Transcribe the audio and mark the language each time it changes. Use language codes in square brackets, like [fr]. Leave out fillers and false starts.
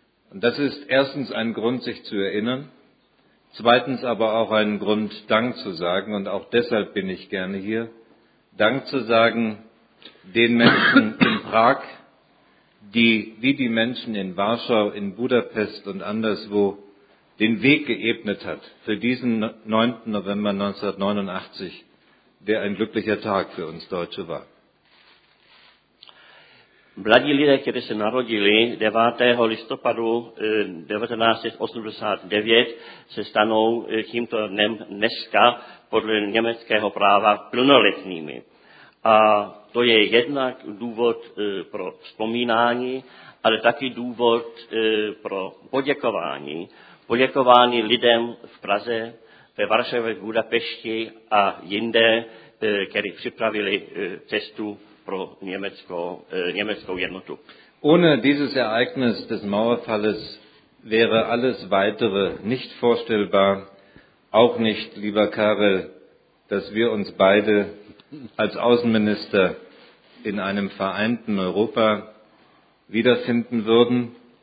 [de] Und das ist erstens ein Grund, sich zu erinnern, zweitens aber auch ein Grund, Dank zu sagen, und auch deshalb bin ich gerne hier, Dank zu sagen den Menschen in Prag, die wie die Menschen in Warschau, in Budapest und anderswo den Weg geebnet hat für diesen 9. November 1989, der ein glücklicher Tag für uns Deutsche war. [cs] Mladí lidé, kteří se narodili 9. listopadu 1989, se stanou tímto dnem dneska podle německého práva plnoletnými. A to je jednak důvod pro vzpomínání, ale taky důvod pro poděkování. Poděkování lidem v Praze, ve Varšavě, v Budapešti a jinde, kteří připravili cestu pro německou jednotu. [de] Ohne dieses Ereignis des Mauerfalles wäre alles weitere nicht vorstellbar, auch nicht, lieber Karel, dass wir uns beide als Außenminister in einem vereinten Europa wiederfinden würden.